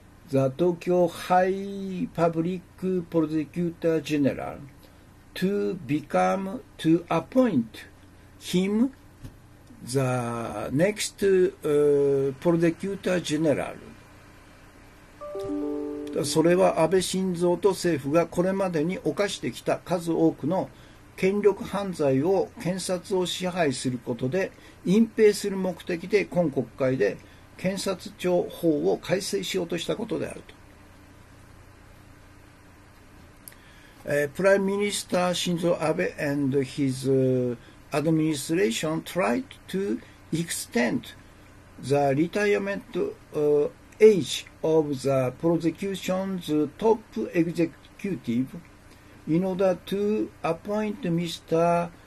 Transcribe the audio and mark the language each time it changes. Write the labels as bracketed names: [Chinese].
[English] the Tokyo High Public Prosecutor General, to appoint him the next Prosecutor General. [Japanese] それは安倍晋三と政府がこれまでに犯してきた数多くの権力犯罪を検察を支配することで隠蔽する目的で今国会で検察庁法を改正しようとしたことであると。 [English] プライムミニスター晋三安倍 and his administration tried to extend the retirement age of the prosecution's top executive in order to appoint Mr.